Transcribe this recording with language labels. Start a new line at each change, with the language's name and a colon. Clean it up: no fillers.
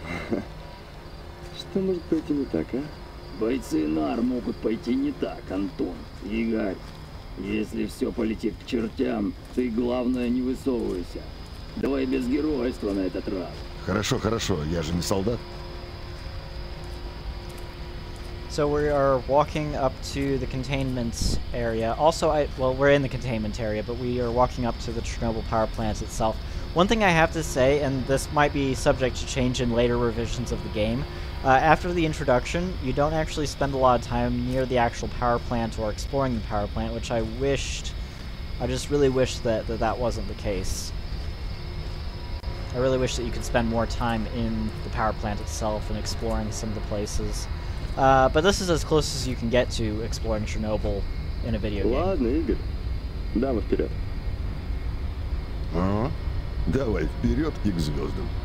Russian: Что может пойти не так, а? Бойцы НАР могут пойти не так, Антон. Игорь, если все полетит к чертям, ты, главное, не высовывайся. Давай без геройства на этот раз. Хорошо, хорошо, я же не солдат.
English: So we are walking up to the containment area. We're in the containment area, but we are walking up to the Chernobyl power plant itself. One thing I have to say, and this might be subject to change in later revisions of the game, after the introduction, you don't actually spend a lot of time near the actual power plant or exploring the power plant, which I wished, I just really wish that wasn't the case. I really wish that you could spend more time in the power plant itself and exploring some of the places. But this is as close as you can get to exploring Chernobyl in a video game.
Russian: Ладно, Игорь. Давай вперед. Ага. Давай вперед и к звездам.